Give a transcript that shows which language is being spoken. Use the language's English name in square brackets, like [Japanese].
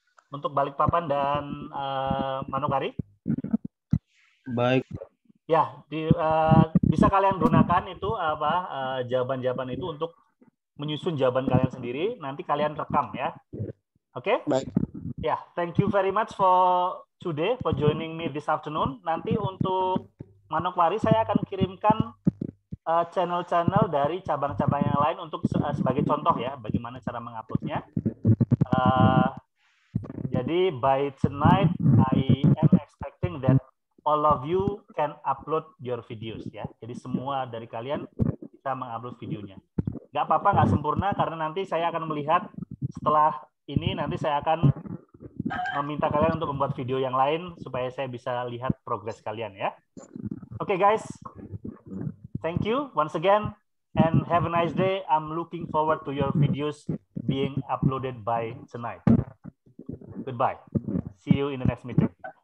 [Indonesian] Untuk Balikpapan dan Manokwari. Baik. Ya, bisa kalian gunakan itu apa jawaban-jawaban itu untuk menyusun jawaban kalian sendiri, nanti kalian rekam ya. Oke? Okay? Baik. [English] Ya, thank you very much for today, for joining me this afternoon. [Indonesian] Nanti untuk Manokwari saya akan kirimkan channel-channel dari cabang-cabang yang lain untuk sebagai contoh ya, bagaimana cara menguploadnya. [English] Jadi by tonight I am expecting that all of you can upload your videos ya. [Indonesian] Jadi semua dari kalian bisa mengupload videonya. Gak apa-apa, gak sempurna, karena nanti saya akan melihat setelah ini, nanti saya akan meminta kalian untuk membuat video yang lain supaya saya bisa lihat progres kalian ya. [English] Okay guys, thank you once again and have a nice day. I'm looking forward to your videos being uploaded by tonight. Goodbye. See you in the next meeting.